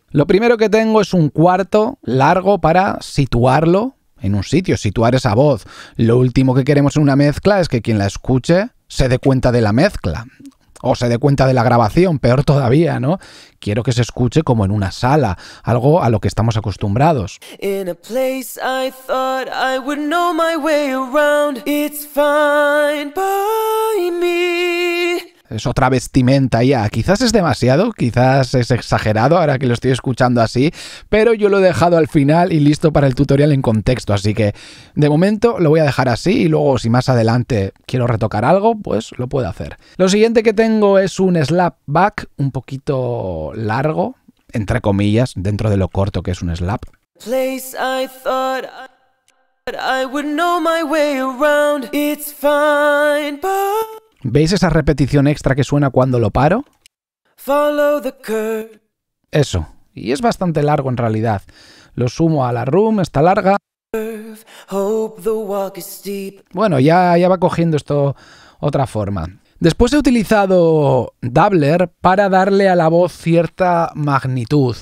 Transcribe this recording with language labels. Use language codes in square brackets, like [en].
[es] Lo primero que tengo es un cuarto largo para situarlo en un sitio, situar esa voz. Lo último que queremos en una mezcla es que quien la escuche se dé cuenta de la mezcla. o se dé cuenta de la grabación, peor todavía, ¿no? Quiero que se escuche como en una sala, algo a lo que estamos acostumbrados. [en] In a place I thought I would know my way around, it's fine by me. [es] Es otra vestimenta ya. Quizás es demasiado, quizás es exagerado ahora que lo estoy escuchando así, pero yo lo he dejado al final y listo para el tutorial en contexto, así que de momento lo voy a dejar así y luego si más adelante quiero retocar algo, pues lo puedo hacer. Lo siguiente que tengo es un slapback un poquito largo, entre comillas, dentro de lo corto que es un slap. [en] Place I thought I would know my way around, it's fine, but... [es] ¿Veis esa repetición extra que suena cuando lo paro? [en] Follow the curve. [es] Eso. Y es bastante largo en realidad. Lo sumo a la room, está larga. [en] Hope the walk is steep. [es] Bueno, ya va cogiendo esto otra forma. Después he utilizado Doubler para darle a la voz cierta magnitud.